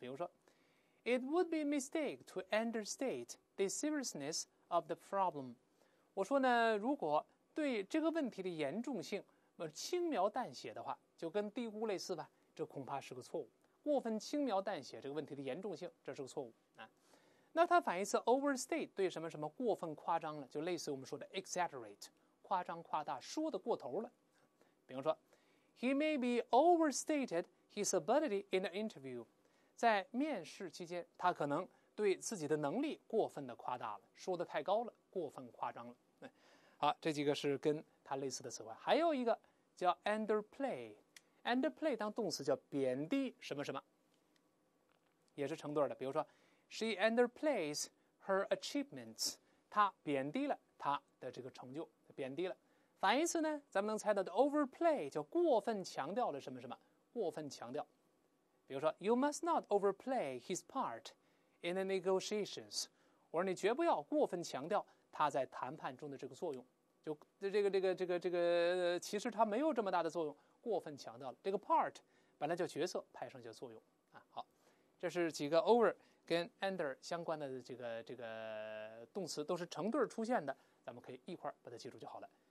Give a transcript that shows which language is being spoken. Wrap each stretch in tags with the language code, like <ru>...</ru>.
<zh>比如说</zh> <en>，It would be a mistake to understate the seriousness of the problem。</en> <zh>我说呢，如果对这个问题的严重性轻描淡写的话，就跟低估类似吧，这恐怕是个错误。过分轻描淡写这个问题的严重性，这是个错误啊。那它反义词 overstate 对什么什么过分夸张了，就类似我们说的 exaggerate， 夸张夸大，说的过头了。比如说 ，</zh> <en>He may be overstated his ability in the interview，</en> <zh>在面试期间，他可能对自己的能力过分的夸大了，说的太高了，过分夸张了。好，这几个是跟它类似的词汇，还有一个叫 underplay 当动词叫贬低什么什么，也是成对的。比如说。</zh> <en>She underplays her achievements.</en> <zh>她贬低了她的这个成就，贬低了。反义词呢？咱们能猜到的 overplay 叫过分强调了什么什么，过分强调。比如说</zh> <en>，You must not overplay his part in the negotiations.</en> <zh>我说你绝不要过分强调他在谈判中的这个作用。就这个，其实他没有这么大的作用，过分强调了这个 part 本来叫角色，派上叫作用啊。好，这是几个 over。跟 under 相关的这个动词都是成对出现的，咱们可以一块把它记住就好了。</zh>